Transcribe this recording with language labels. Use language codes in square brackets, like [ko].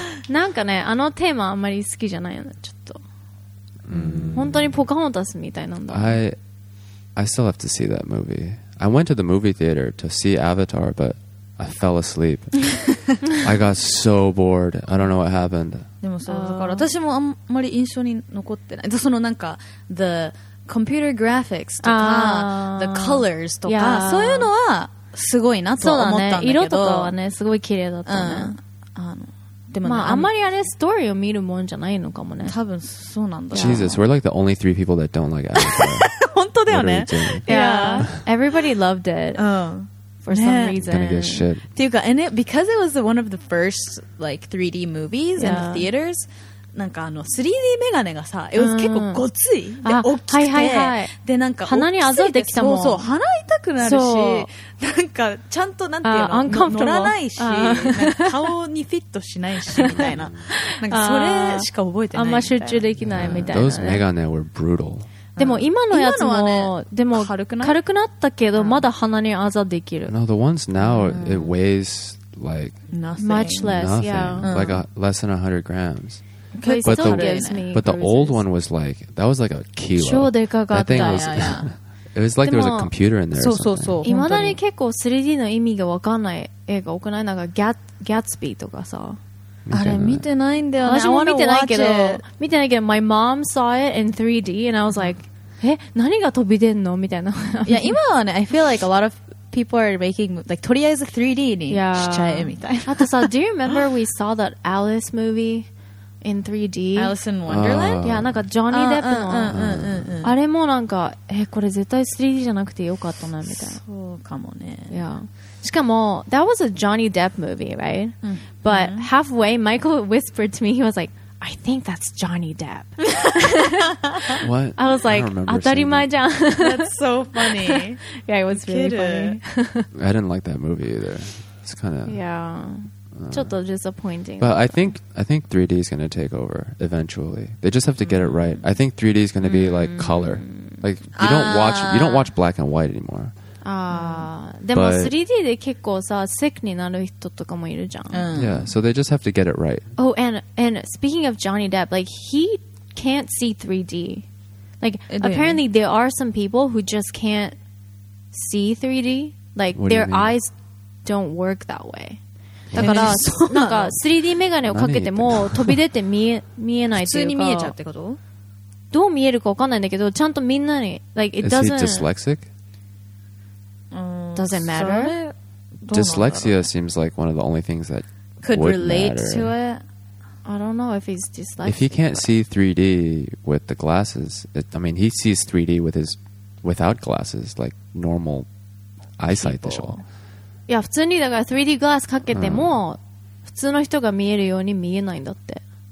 [ja] なんかね、あのテーマあんまり好きじゃないよね、ちょっと。本当にポカホンタスみたいなんだ。 [en] I still have to see that movie. I went to the movie theater to see Avatar, but I fell asleep. I got so bored. I don't know what happened. [ja] でもそうだから、私もあんまり印象に残ってない。そのなんか、the... computer graphics とか the colors とか、 [en] yeah. [ja] そういうのはすごいなと思ったんだけど、そうだね、色とかはねすごい綺麗だったね、うん、あのでもまあ、あんまりあれストーリーを見るもんじゃないのかもね。多分そうなんだ。 [en] Jesus, we're like the only three people that don't like Avatar. [ja] 本当だよね。 [en] Yeah. Everybody loved it. [ja] うん。 [en] For some reason. Gonna get shit. [ja] っていうか、 [en] and it, because it was one of the first, like, 3D movies in the theaters, [ja] なんかあの 3D メガネがさ、 [en] it was [ja] 結構ごつい。で、大きくて。はいはいはい。で、なんか、鼻にあざできたもん。そうそう、鼻痛くなるし、なんか、ちゃんとなんていうの、乗らないし、顔にフィットしないし、みたいな。なんか、それしか覚えてない。あんま集中できないみたいな。 [en] Those メガネ were brutal. [ja] でも今のやつも、ね、でも軽くなったけど、まだ鼻にあざできる。 [en] No, the ones now, it weighs like nothing. Much less, nothing, yeah. Like a, less than 100 grams. But, still the, gives me but the old one was like, that was like a kilo. [ja] 超でかかった。 [en] That thing was, it was like there was a computer in there. [ja] そうそうそう。いまだに結構 3D の意味がわかんない映画多くない？なんかギャッツビーとかさ。あれ見てないんだよね。私も見てないけど、見てないけど、 [en] my mom saw it in 3D and I was like, [ja] え、何が飛び出んのみたいな。いや、今はね、 [en] I feel like a lot of people are making, like, [ja] とりあえず 3D にしちゃえみたいな。あとさ、 [en] do you remember we saw that Alice movie in 3D? Alice in Wonderland? [ja] いや、なんか Johnny Depp の。あれもなんか、え、これ絶対 3D じゃなくてよかったな、みたいな。そうかもね。いや。しかも、 [en] that was a Johnny Depp movie, right?、 [ja] うん、 [en] But halfway, Michael whispered to me, he was like, I think that's Johnny Depp. What? I was like, [ja] 当たり前じゃん。 [en] That's so funny. Yeah, it was really funny. I didn't like that movie either. It's kind of... Yeah. ちょっと disappointing. But I think 3D is going to take over eventually. They just have to get it right. I think 3D is going to be like color. Like, you don't watch black and white anymore. [ja] でも 3D で結構さ sick になる人とかもいるじゃん、うん、 [en] Yeah, so they just have to get it right. Oh, and speaking of Johnny Depp, like he can't see 3D. Like apparently there are some people who just can't see 3D. Like their eyes don't work that way. [ja] だからなんか 3D メガネをかけても飛び出て見えないというか普通に見えちゃうってこと？どう見えるか分かんないんだけどちゃんとみんなに [en] like it doesn't. Is he dyslexic? Doesn't matter. Dyslexia seems like one of the only things that could relate、 matter. To it. I don't know if he's dyslexic. If he can't see 3D with the glasses, I mean, he sees 3D without glasses, like normal eyesight. [ja] Yeah, 普通にだから 3D グラスかけても普通の人が見えるように見えないんだって。